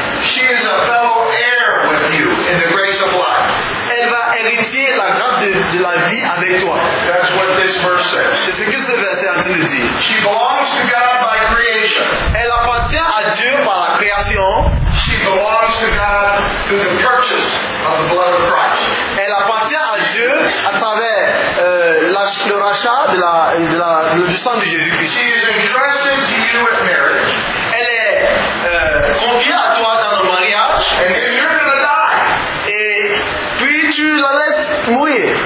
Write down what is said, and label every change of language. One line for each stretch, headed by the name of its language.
English: She is a fellow heir with you in the grace of life.
French: Elle va hériter la grâce de la vie avec toi.
English: That's what this verse says.
French: C'est ce que ce verset en train de dire.
English: She belongs to God by creation.
French: Elle appartient à Dieu par la création.
English: She belongs to God through the purchase of the blood of Christ.
French: Elle appartient à Dieu à travers le rachat du sang de Jésus-Christ.
English: She is entrusted to you at marriage.
French: Elle est confiée à toi dans le mariage.
English: And if you're going to die,
French: tu la laisses mourir.